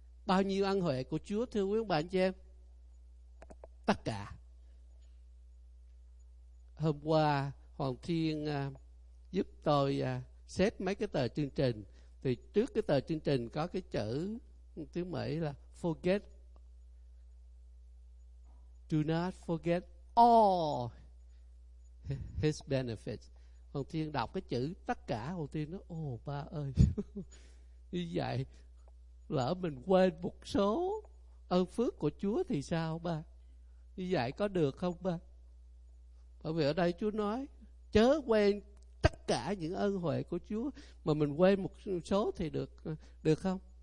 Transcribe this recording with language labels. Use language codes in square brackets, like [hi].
[vi] Bao nhiêu ân huệ của Chúa thưa quý ông bà anh chị em? Tất cả. Hôm qua Hoàng Thiên giúp tôi xếp mấy cái tờ chương trình, thì trước cái tờ chương trình có cái chữ tiếng Mỹ là forget. [en] Do not forget all his benefits. [vi] Hoàng Thiên đọc cái chữ tất cả, Hoàng Thiên nói ồ ba ơi, như vậy lỡ mình quên một số ơn phước của Chúa thì sao ba? Như vậy có được không ba? Bởi vì ở đây Chúa nói chớ quên tất cả những ơn huệ của Chúa, mà mình quên một số thì được không?